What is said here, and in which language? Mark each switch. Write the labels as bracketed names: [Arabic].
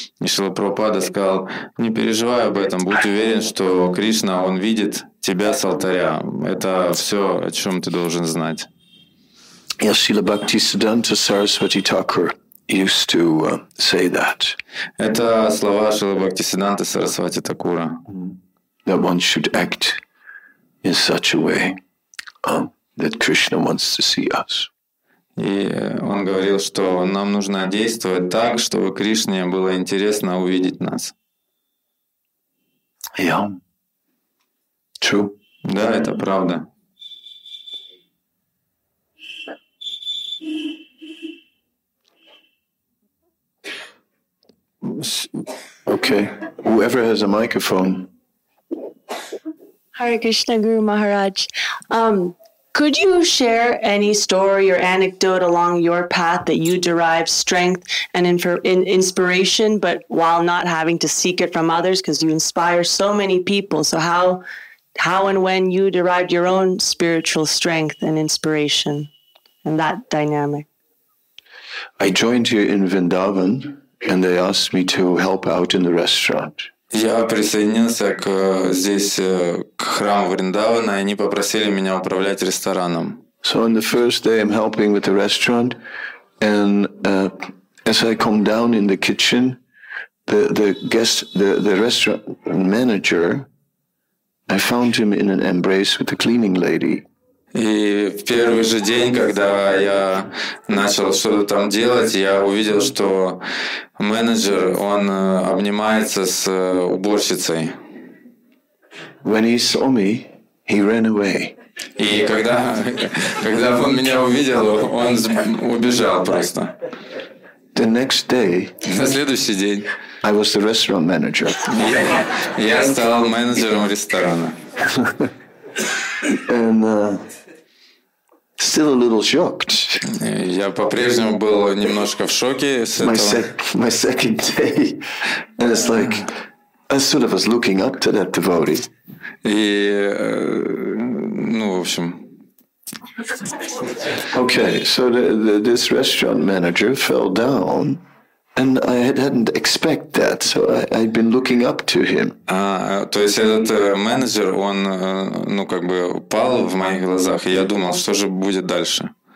[Russian] И Шрила Прабхупада сказал: не переживай об этом, будь уверен, что Кришна, он видит тебя с алтаря. Это все, о чем ты должен знать. [English] Шрила Бхактисиддханта Сарасвати Такур used to say that. [Russian] Это слова Шрилы Бхактисиддханты Сарасвати Такура. [English] That one should act in such a way that Krishna wants to see us. [Russian] И он говорил, что нам нужно действовать так, чтобы Кришне было интересно увидеть нас. [English] Yeah. True. [Russian] Да, это правда. [English] Okay. Whoever has a microphone. Hare Krishna, Guru Maharaj. Could you share any story or anecdote along your path that you derive strength and inspiration, but while not having to seek it from others, because you inspire so many people? So how and when you derived your own spiritual strength and inspiration and that dynamic? I joined you in Vrindavan. And they asked me to help out in the restaurant. [Russian] Я присоединился к здесь к храму Вриндавана, и они попросили меня управлять рестораном. [English] So on the first day, I'm helping with the restaurant, and as I come down in the kitchen, the restaurant manager, I found him in an embrace with the cleaning lady. [Russian] И в первый же день, когда я начал что-то там делать, я увидел, что менеджер, он обнимается с уборщицей. [English] When he saw me, he ran away. [Russian] И когда он меня увидел, он убежал просто. [English] The next day, [Russian] на следующий день, [English] I was the restaurant manager. [Russian] Я стал менеджером ресторана. [English] And, still a little shocked. [Russian] Я по-прежнему был немножко в шоке с этого. [English] My second day, and it's like I sort of was looking up to that devotee. [Russian] И, ну, в общем. [English] Okay, so this restaurant manager fell down. And I hadn't expect that, so I'd been looking up to him. [Russian] То есть этот менеджер, он, ну, как бы упал в моих глазах, и я думал, что же будет дальше.